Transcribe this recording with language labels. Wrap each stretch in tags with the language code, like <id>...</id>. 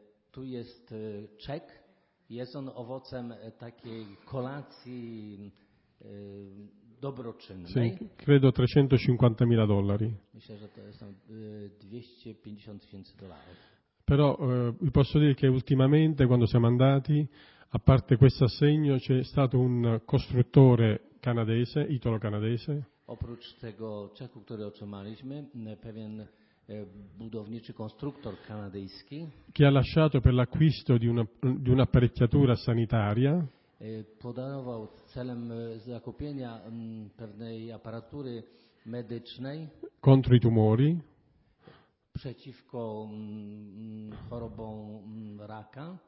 <pl>Tu jest czek, jest on owocem takiej kolacji dobroczynnej.</pl> <it>Sì, credo 350.000 dollari.</it> <pl>Myślę, że to jest 250 tysięcy dolarów.</pl> <it>Però vi posso dire che ultimamente, quando siamo andati, a parte questo assegno, c'è stato un costruttore canadese, italo-canadese.</it> <pl>Oprócz tego czeku, który otrzymaliśmy, pewien budowniczy konstruktor kanadyjski,</pl> <it>che ha lasciato per l'acquisto di una apparecchiatura sanitaria,</it> <pl>podarował celem zakupienia pewnej aparatury medycznej</pl> <it>contro i tumori,</it> <pl>przeciwko chorobom raka,</pl>